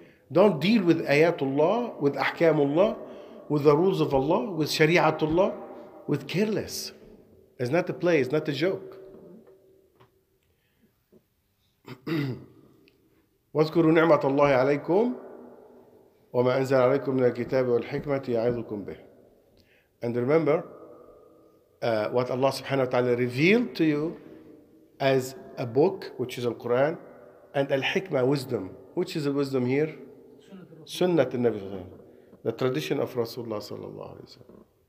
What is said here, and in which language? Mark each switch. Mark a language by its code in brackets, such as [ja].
[en] Don't deal with [ar] آيات الله, [en] with [ar] أحكام الله, [en] with the rules of Allah, with [ar] شريعة الله, [en] with careless. It's not a play. It's not a joke. [ar] واذكروا نعمة الله عليكم وما أنزل عليكم من الكتاب والحكمة يعظكم به. [en] And remember what Allah subhanahu wa ta'ala revealed to you as a book, which is the Quran, and al-hikma, wisdom. Which is the wisdom here? Sunnat al-Nabi sallallahu alayhi wa sallam. The tradition of Rasulullah sallallahu alayhi wa sallam.